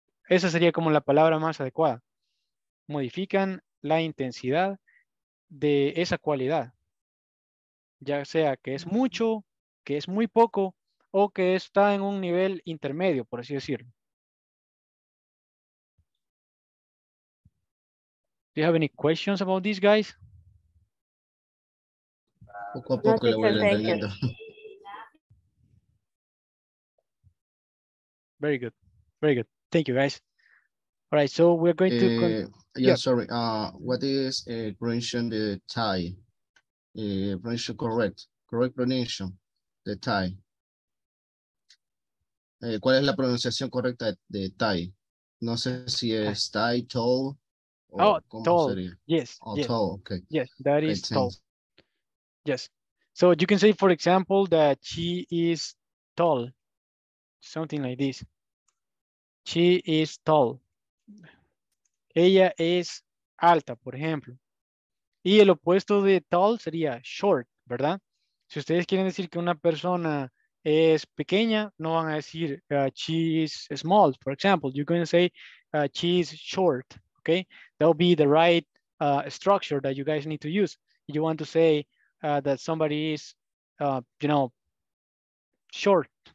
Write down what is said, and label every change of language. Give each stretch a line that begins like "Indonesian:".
Spanish: Esa sería como la palabra más adecuada. Modifican la intensidad de esa cualidad. Ya sea que es mucho, que es muy poco, o que está en un nivel intermedio, por así decirlo.
English: Do you have any questions about this, guys?
Spanish: Poco a poco le voy entendiendo.
English: Very good. Very good. Thank you, guys. All right, so we're going to... Sorry. What is pronunciation the tie? Pronunciation correct. Correct pronunciation. The tie.
Spanish: ¿Cuál es la pronunciación correcta de tie? No sé si es tie, tall...
English: Oh, tall. Yes. Tall. Okay. Yes, that is tall. Yes. So you can say, for example, that she is tall. Something like this. She is tall.
Spanish: Ella es alta, por ejemplo. Y el opuesto de tall sería short, ¿verdad? Si ustedes quieren decir que una persona es pequeña, no van a decir
English: she is small, for example. You're going to say she is short. Okay, that will be the right structure that you guys need to use. You want to say that somebody is, short.